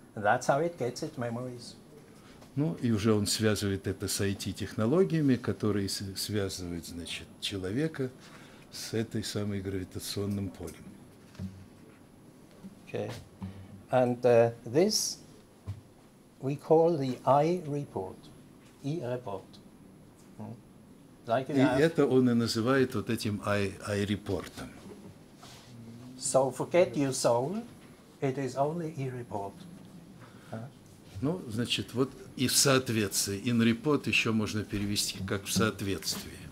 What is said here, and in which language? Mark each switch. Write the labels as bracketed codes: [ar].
[en] And that's how it gets its memories. [ru] Ну, и уже он связывает это с IT-технологиями, которые связывают, значит, человека с этой самой гравитационным полем. [en] Okay, and this we call the iReport, iReport. [ru] Like и это он и называет вот этим iReportом. [en] So forget your soul, it is only iReport. [ru] Ну, значит, вот и в соответствии, inReport еще можно перевести как в соответствии.